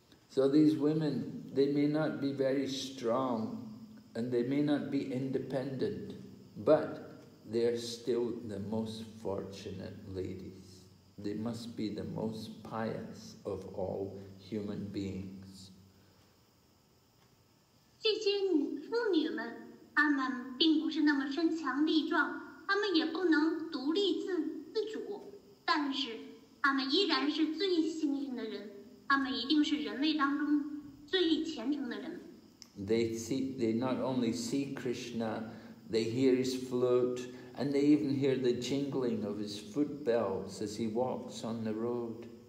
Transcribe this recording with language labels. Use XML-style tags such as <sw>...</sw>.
<en>So these women, they may not be very strong, and they may not be independent, but they are still the most fortunate ladies. They must be the most pious of all human beings.</en> <zh>这些妇女们，她们并不是那么身强力壮，她们也不能独立自主，但是她们依然是最幸运的人，她们一定是人类当中最虔诚的人。</zh> <en>They not only see Krishna, they hear his flute,And they even hear the jingling of his foot bells as he walks on the road.</en>